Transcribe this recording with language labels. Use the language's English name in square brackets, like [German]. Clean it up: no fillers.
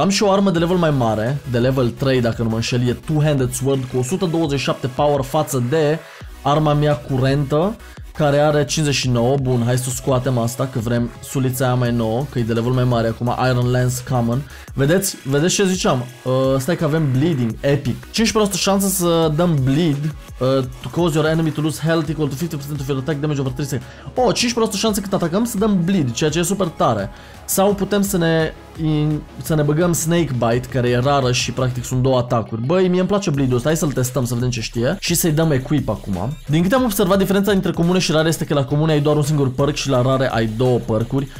[Romanian] Am și o armă de level mai mare, de level 3, dacă nu mă înșel, e two-handed sword cu 127 power față de arma mea curentă, care are 59. Bun, hai să scoatem asta, că vrem sulița aia mai nouă, că e de level mai mare acum, Iron Lance Common. Vedeți, vedeți ce ziceam, stai că avem bleeding, epic. 15% șansă să dăm bleed. [English] To cause your enemy to lose health equal to 50% of your attack damage over 3 seconds. [Romanian] Oh, 15% șanse cât atacăm să dăm bleed, ceea ce e super tare. Sau putem să ne băgăm snake bite, care e rară și practic sunt două atacuri. Băi, mie îmi place bleed-ul ăsta, hai să-l testăm să vedem ce știe. Și să-i dăm equip acum. Din câte am observat, diferența dintre comune și rare este că la comune ai doar un singur perk și la rare ai două perk-uri.